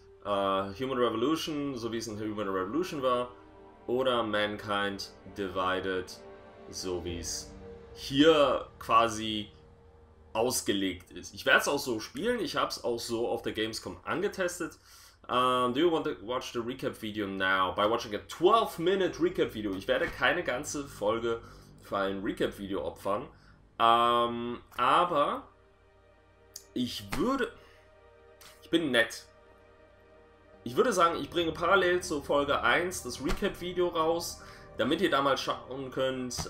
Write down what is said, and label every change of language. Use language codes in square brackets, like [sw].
[de] Human Revolution, so wie es in Human Revolution war, oder Mankind Divided, so wie es hier quasi ausgelegt ist. Ich werde es auch so spielen, ich habe es auch so auf der Gamescom angetestet. [en] Do you want to watch the recap video now? By watching a 12-minute recap video. [de] Ich werde keine ganze Folge für ein recap video opfern. Aber ich würde... Ich bin nett. Ich würde sagen, ich bringe parallel zur Folge 1 das Recap-Video raus, damit ihr da mal schauen könnt.